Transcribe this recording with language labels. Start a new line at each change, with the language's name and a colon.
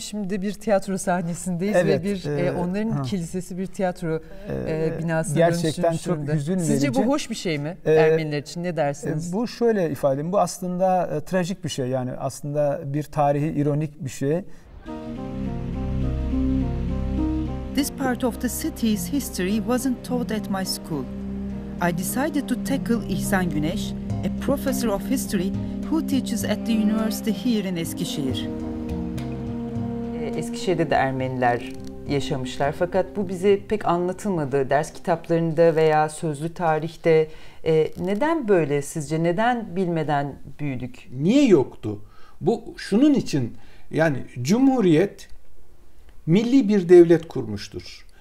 Turkish: Şimdi bir tiyatro sahnesindeyiz ve bir onların kilisesi bir tiyatro binasına gerçekten çok hüzün verici. Sizce bu hoş bir şey mi Ermeniler için? Ne dersiniz? Bu şöyle ifade edeyim. Bu aslında trajik bir şey. Yani aslında bir tarihi ironik bir şey.
English: This part of the city's history wasn't taught at my school. I decided to tackle İhsan Güneş, a professor of history who teaches at the university here in Eskişehir.
Turkish: Eskişehir'de de Ermeniler yaşamışlar fakat bu bize pek anlatılmadı. Ders kitaplarında veya sözlü tarihte neden böyle sizce? Neden bilmeden büyüdük? Niye yoktu? Bu şunun için yani Cumhuriyet milli bir devlet kurmuştur.